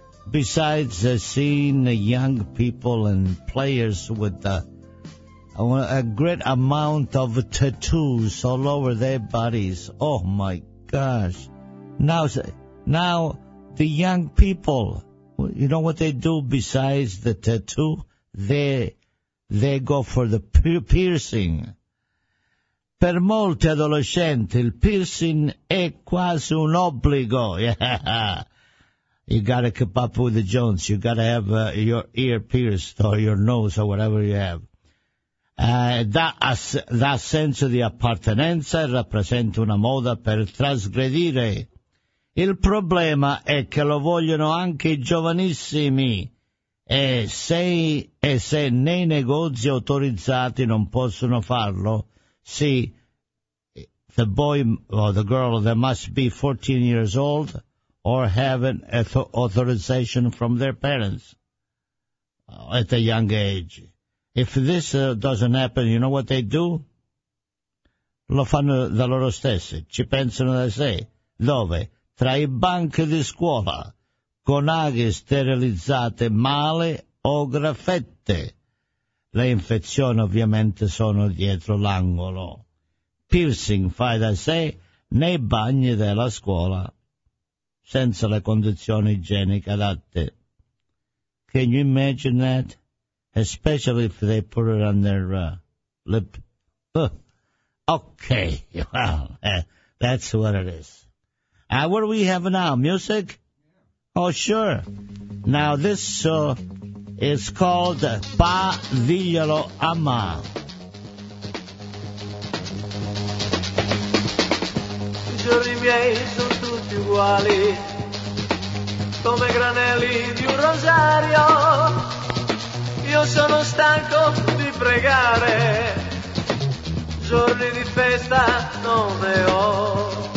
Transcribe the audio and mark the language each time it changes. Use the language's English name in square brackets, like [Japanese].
[English] Besides seeing young people and players with a great amount of tattoos all over their bodies. Oh, my gosh. Now the young people, you know what they do besides the tattoo? They go for the piercing. [Italian] Per molti adolescenti, il piercing è quasi un obbligo. [English] You gotta keep up with the Jones. You gotta have your ear pierced or your nose or whatever you have. [Italian] Da senso di appartenenza e rappresenta una moda per trasgredire. Il problema è che lo vogliono anche i giovanissimi. E se nei negozi autorizzati non possono farlo, sì, [English] the boy or the girl, they must be 14 years old or have an authorization from their parents at a young age. If this doesn't happen, you know what they do? [Italian] Lo fanno da loro stessi, ci pensano da sé. Dove? Tra i banchi di scuola. Con aghe sterilizzate male o graffette. Le infezioni ovviamente sono dietro l'angolo. Piercing fai da sé nei bagni della scuola, senza le condizioni igieniche adatte. [English] Can you imagine that? Especially if they put it on their lip. Okay, well, that's what it is. What do we have now, music? Oh, sure. Now, this is called Pa Diglielo a Ma. [Italian] I giorni miei sono tutti uguali, come granelli di un rosario. Io sono stanco di pregare, giorni di festa non ne ho.